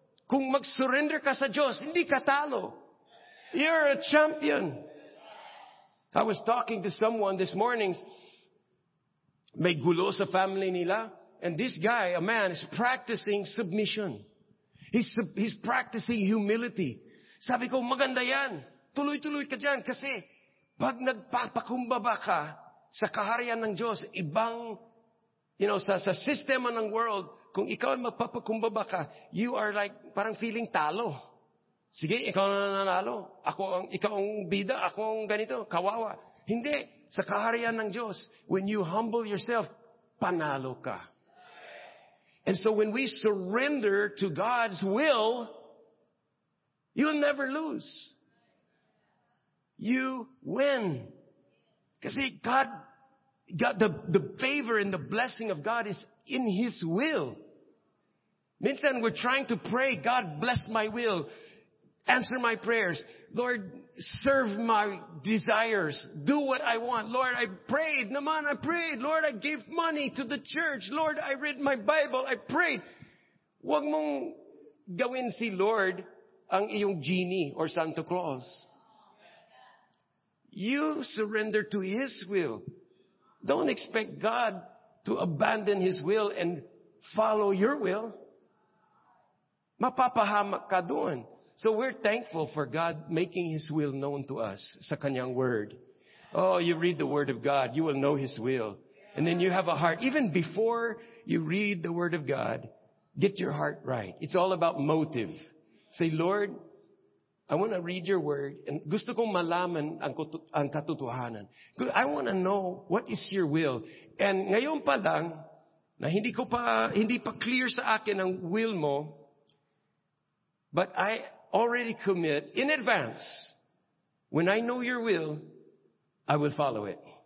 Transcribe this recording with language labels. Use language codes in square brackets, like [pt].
[tl] Kung mag-surrender ka sa Diyos, hindi ka talo. [en] You're a champion. I was talking to someone this morning. [tl] May gulo sa family nila. [en] And this guy, a man, is practicing submission. He's practicing humility. [tl] Sabi ko, maganda yan. Tuloy-tuloy ka dyan. Kasi pag nagpapakumbaba ka sa kaharian ng Diyos, ibang, [en] you know, [tl] sa sistema ng world, kung ikaw ay magpapakumbaba ka, [en] you are like, [tl] parang feeling talo. Sige, ikaw na nanalo. Ikaw ang bida, ako ang ganito, kawawa. Hindi. Sa kaharian ng Diyos, [en] when you humble yourself, [tl] panalo ka. [en] And so when we surrender to God's will, you'll never lose. You win. Because God, the favor and the blessing of God is in His will. Minsan, we're trying to pray, God, bless my will. Answer my prayers. Lord, serve my desires. Do what I want. Lord, I prayed. Naman, I prayed. Lord, I gave money to the church. Lord, I read my Bible. I prayed. [tl] Huwag mong gawin si Lord ang iyong genie or Santa Claus. [en] You surrender to His will. Don't expect God to abandon His will and follow your will. [tl] Mapapahamak ka doon. [en] So we're thankful for God making His will known to us [tl] sa Kanyang Word. [en] Oh, you read the Word of God, you will know His will. And then you have a heart. Even before you read the Word of God, get your heart right. It's all about motive. Say, Lord, I want to read Your Word. [tl] And gusto kong malaman ang katotohanan. [en] I want to know what is Your will. And [tl] ngayon pa lang, na hindi pa clear sa akin ang will mo, [en] but I already commit in advance, when I know Your will, I will follow it.